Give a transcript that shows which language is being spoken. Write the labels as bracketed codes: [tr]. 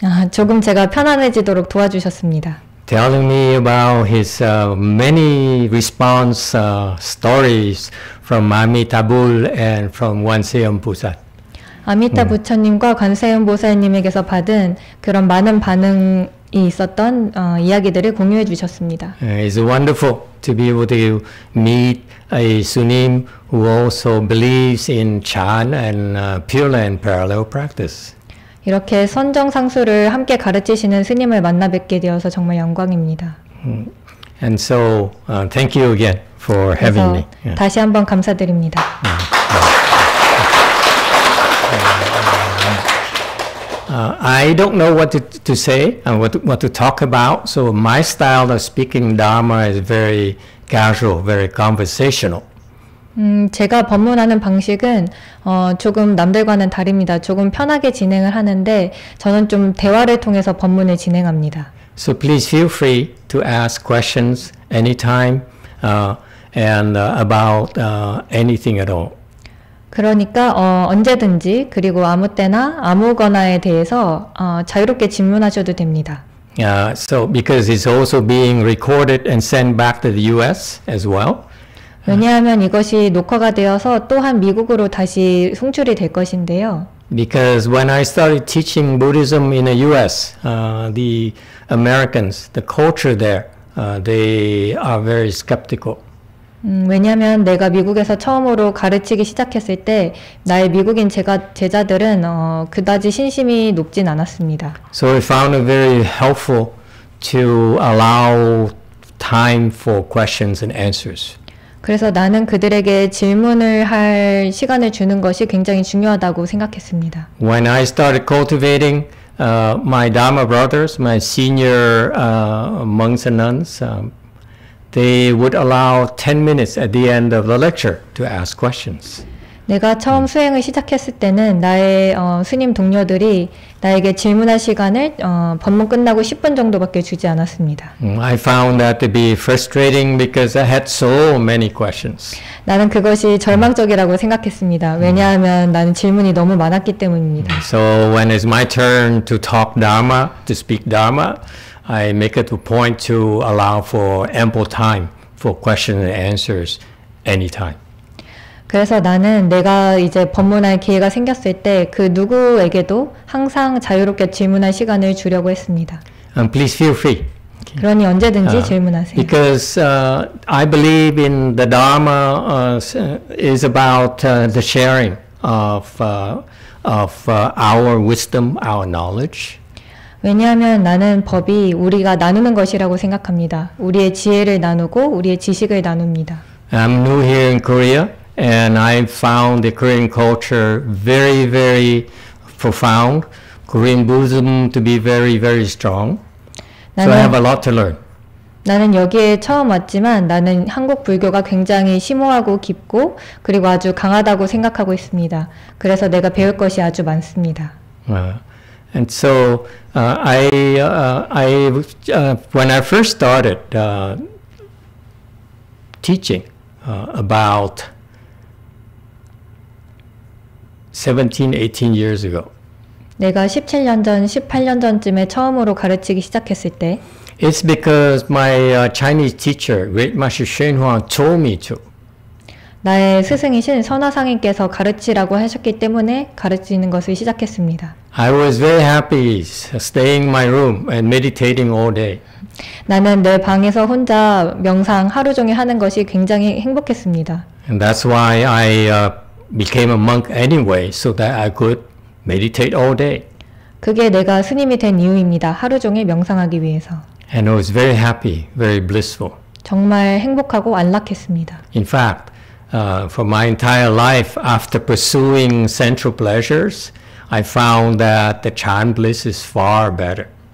[ko] 조금 제가 편안해지도록 도와주셨습니다. [en] Telling me about his many response stories from Amitabha and from Wanseyon Busan. [ko] 아미타 부처님과 관세음 보살님에게서 받은 그런 많은 반응이 있었던 이야기들을 공유해 주셨습니다. [en] It's wonderful to be able to meet a Sunim who also believes in Chan and Pure Land parallel practice. [ko] 이렇게 선정상수를 함께 가르치시는 스님을 만나 뵙게 되어서 정말 영광입니다. [en] And so, thank you again for having me. [ko] 다시 한번 감사드립니다. [en] I don't know what to say and what to talk about, so my style of speaking Dharma is very casual, very conversational. [ko] 제가 법문하는 방식은 조금 남들과는 다릅니다. 조금 편하게 진행을 하는데 저는 좀 대화를 통해서 법문을 진행합니다. [en] So please feel free to ask questions anytime and about anything at all. [ko] 그러니까 언제든지 그리고 아무 때나 아무거나에 대해서 자유롭게 질문하셔도 됩니다. [en] So because it's also being recorded and sent back to the US as well. [ko] 왜냐하면 이것이 녹화가 되어서 또한 미국으로 다시 송출이 될 것인데요. [en] Because when I started teaching Buddhism in the US, the Americans, the culture there, they are very skeptical. [ko] 왜냐하면 내가 미국에서 처음으로 가르치기 시작했을 때 나의 미국인 제자들은 그다지 신심이 높진 않았습니다. [en] So I found it very helpful to allow time for questions and answers. [ko] 그래서 나는 그들에게 질문을 할 시간을 주는 것이 굉장히 중요하다고 생각했습니다. [en] When I started cultivating my Dharma brothers, my senior monks and nuns, they would allow 10 minutes at the end of the lecture to ask questions. [ko] 내가 처음 수행을 시작했을 때는 나의 스님 동료들이 나에게 질문할 시간을 법문 끝나고 10분 정도밖에 주지 않았습니다. [en] I found that to be frustrating because I had so many questions. [ko] 나는 그것이 절망적이라고 생각했습니다. 왜냐하면 나는 질문이 너무 많았기 때문입니다. [en] So when it's my turn to talk Dharma, to speak Dharma, I make it a point to allow for ample time for questions and answers anytime. [ko] 그래서 나는 내가 이제 법문할 기회가 생겼을 때 그 누구에게도 항상 자유롭게 질문할 시간을 주려고 했습니다. [en] Please feel free. Okay. [ko] 그러니 언제든지 질문하세요. [en] Because I believe in the Dharma is about the sharing of our wisdom, our knowledge. [ko] 왜냐하면 나는 법이 우리가 나누는 것이라고 생각합니다. 우리의 지혜를 나누고 우리의 지식을 나눕니다. [en] I'm new here in Korea. And I found the Korean culture very, very profound. Korean Buddhism to be very, very strong. So I have a lot to learn. [ko] 나는 여기에 처음 왔지만 나는 한국 불교가 굉장히 심오하고 깊고 그리고 아주 강하다고 생각하고 있습니다. 그래서 내가 배울 것이 아주 많습니다. [en] And so when I first started teaching about 17-18 years ago. [ko] 내가 17년 전, 18년 전쯤에 처음으로 가르치기 시작했을 때 [en] It's because my Chinese teacher, Great Master Shen Huang, told me to. [ko] 나의 스승이신 선화상인께서 가르치라고 하셨기 때문에 가르치는 것을 시작했습니다. [en] I was very happy staying in my room and meditating all day. [ko] 나는 내 방에서 혼자 명상 하루 종일 하는 것이 굉장히 행복했습니다. [en] And that's why I became a monk anyway, so that I could meditate all day. [ko] 그게 내가 스님이 된 이유입니다. 하루 종일 명상하기 위해서. [en] And I was very happy, very blissful. [ko] 정말 행복하고 안락했습니다. [en] In fact, for my entire life, after pursuing sensual pleasures, I found that the chan bliss is far better.